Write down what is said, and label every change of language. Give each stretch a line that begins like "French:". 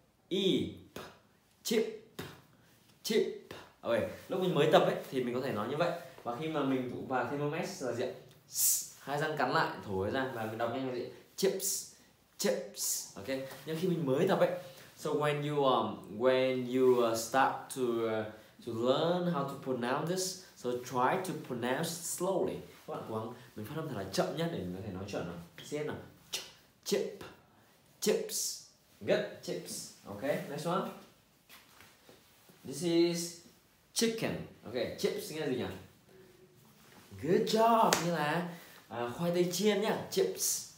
English: Chip, chip, chip.
Vietnamese: Ok, lúc mình mới tập ấy thì mình có thể nói như vậy. Và khi mà mình vụ vào thêm một s là gì ạ? Hai răng cắn lại, thổi ra và mình đọc nhanh là gì? Chips, chips. Ok, nhưng khi mình mới tập ấy.
English: So when you start to learn how to pronounce this, so try to pronounce slowly.
Vietnamese: Các bạn cố gắng, mình phát âm thật là chậm nhất để mình có thể nói chuẩn nào. Xem nào.
English: Chip, chips. Good, chips. Okay, next one. This is chicken. Okay, chips
Vietnamese: nghĩa gì nhỉ?
English: Good job,
Vietnamese: nghĩa là khoai tây chiên nhá, chips.